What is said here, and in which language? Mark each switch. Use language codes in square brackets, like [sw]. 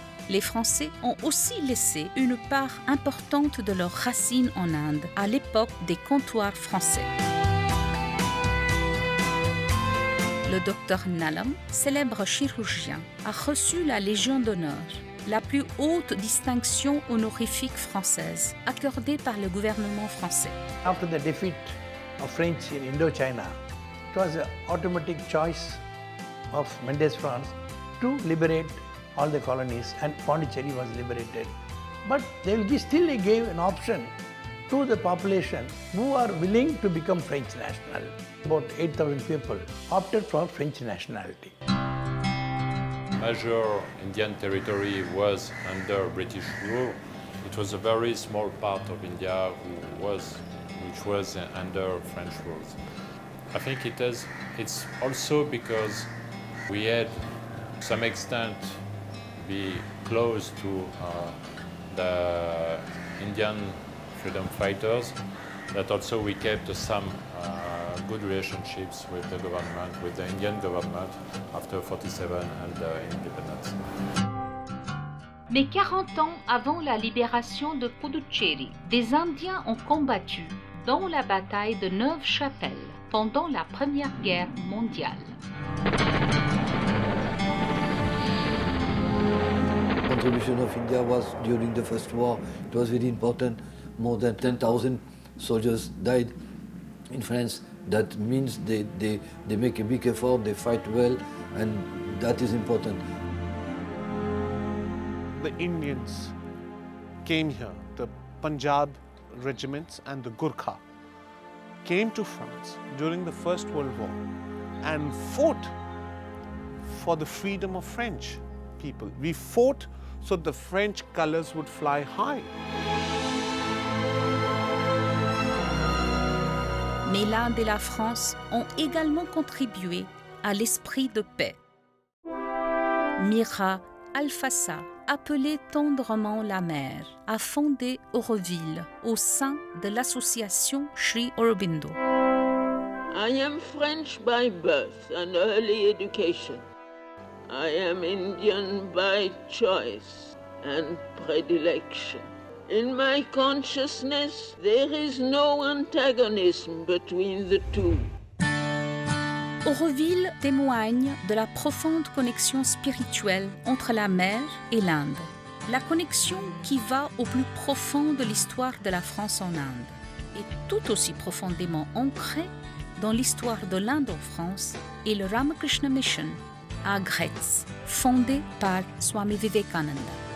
[fr] Les Français ont aussi laissé une part importante de leurs racines en Inde à l'époque des comptoirs français. Le docteur Nalam, célèbre chirurgien, a reçu la Légion d'honneur, la plus haute distinction honorifique française accordée par le gouvernement français. [en] After the defeat of French in Indochina, it was an automatic choice of Mendes France to liberate all the colonies, and Pondicherry was liberated. But they still gave an option to the population who are willing to become French national. About 8,000 people opted for French nationality. Major Indian territory was under British rule. It was a very small part of India which was under French rule. I think it's also because we had to some extent be close to the Indian freedom fighters, that also we kept some good relationships with the government, with the Indian government, after 47 and the independence. [fr] Mais 40 ans avant la libération de Puducherry, des Indiens ont combattu dans la bataille de Neuve-Chapelle pendant la Première Guerre mondiale. [en] Contribution of India was during the First War. It was very important. More than 10,000 soldiers died in France. That means they make a big effort, they fight well, and that is important. The Indians came here, the Punjab regiments and the Gurkha came to France during the First World War and fought for the freedom of French people. We fought so the French colors would fly high. [fr] Mais l'Inde et la France ont également contribué à l'esprit de paix. Mira Alfassa, appelée tendrement la mère, a fondé Auroville au sein de l'association Sri Aurobindo. [en] I am French by birth and early education. I am Indian by choice and predilection. In my consciousness, there is no antagonism between the two. [fr] Auroville témoigne de la profonde connexion spirituelle entre la mer et l'Inde. La connexion qui va au plus profond de l'histoire de la France en Inde est tout aussi profondément ancrée dans l'histoire de l'Inde en France et le Ramakrishna Mission à Gretz, fondé par Swami Vivekananda.